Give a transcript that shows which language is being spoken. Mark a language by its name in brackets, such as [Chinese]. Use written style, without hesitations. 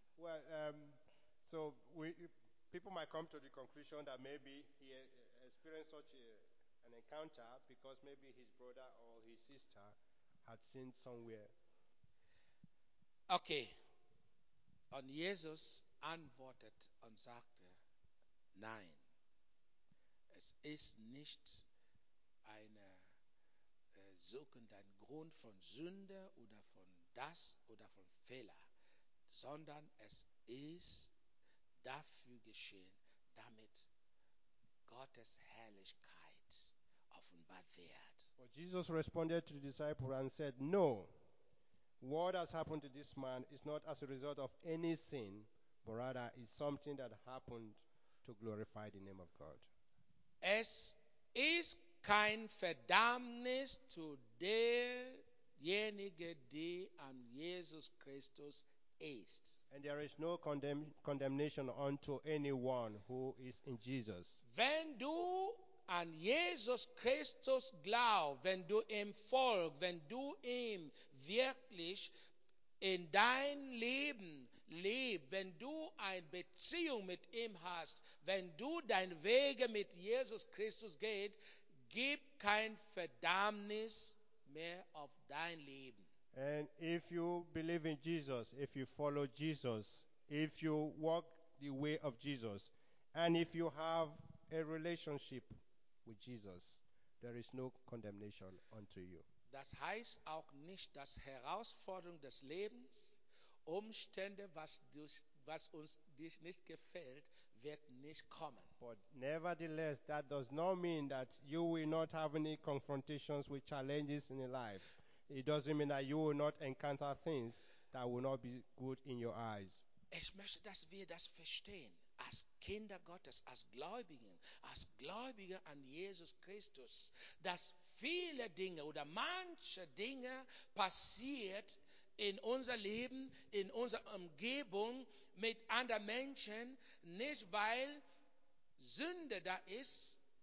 [English] Well, so people might come to the conclusion that maybe he experienced such an encounter because maybe his brother or his sister had sinned somewhere. Okay. [German] Und Jesus antwortet und sagte, nein, es ist nicht eine suchenden Grund von Sünde oder von das oder von Fehler, sondern es ist dafür geschehen, damit Gottes Herrlichkeit offenbart wird. [English] But Jesus responded to the disciple and said, no, what has happened to this man is not as a result of any sin, but rather is something that happened to glorify the name of God. [German] Es ist kein Verdammnis zu derjenige, die an Jesus Christus ist. [English] And there is no condemnation unto anyone who is in Jesus. [German] Wenn du an Jesus Christus glaubst, wenn du ihm folgst, wenn du ihm wirklich in dein Leben lebst, wenn du eine Beziehung mit ihm hast, wenn du deine Wege mit Jesus Christus gehst, gib kein Verdammnis mehr auf dein Leben. [English] And if you believe in Jesus, if you follow Jesus, if you walk the way of Jesus, and if you have a relationship with Jesus, there is no condemnation unto you. [German] Das heißt auch nicht, dass Herausforderungen des Lebens, Umstände, was uns nicht gefällt, wird nicht kommen. [English] But nevertheless, that does not mean that you will not have any confrontations with challenges in your life. It doesn't mean that you will not encounter things that will not be good in your eyes. [German] Ich möchte, dass wir das verstehen. Als Kinder Gottes, als Gläubigen an Jesus Christus, dass viele Dinge oder manche Dinge passiert in unser Leben, in unserer Umgebung mit anderen Menschen, nicht weil Sünde da ist.